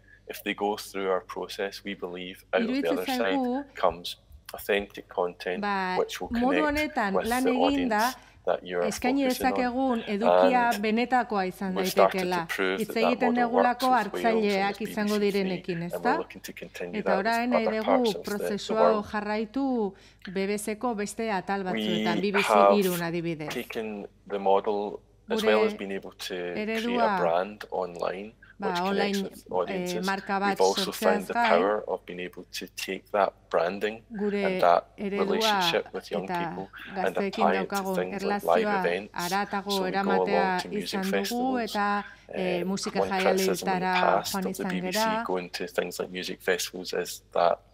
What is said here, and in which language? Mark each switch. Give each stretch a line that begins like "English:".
English: If they go through our process, we believe out of the other side comes authentic content, which will connect
Basque: honetan,
English: with the audience that you are focusing on.
Basque: Edukia benetakoa izan daitekeela. Hitz egiten degulako hartzaileak izango direnekin, ezta? Eta orain nahi dugu prozesua jarraitu BBC-ko beste atal batzuetan, BBC 3 adibidez.
English: Taken the model as well as being able to create a brand online.
Basque: Online marka bat sortzeaz gai, gure eredua eta gazteekin daukagun erlazioa aratago eramatea izan dugu eta musika jaialdietara joan izan gera.